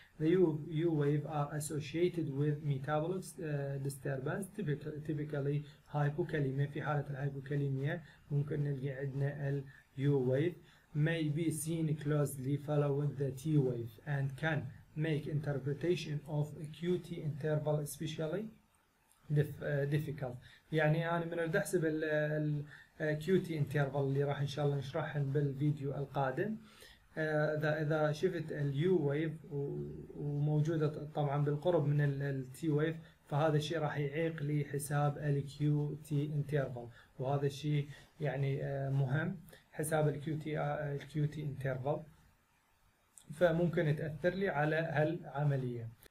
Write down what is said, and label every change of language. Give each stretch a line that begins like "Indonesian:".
English: The U wave are associated with metabolic disturbance, typically hypokalemia.
Arabic: في حالة الهايبوكاليميا ممكن نلقي عندنا ال U wave.
English: May be seen closely following the T wave and can make interpretation of QT interval especially difficult.
Arabic: يعني أنا من أريد أحسب ال QT interval اللي راح إن شاء الله نشرحه بالفيديو القادم. إذا شفت ال U wave وموجودة طبعا بالقرب من ال T wave فهذا الشيء راح يعيق لي حساب ال QT interval، وهذا الشيء يعني مهم حساب ال QT interval، فممكن تأثر لي على هالعملية.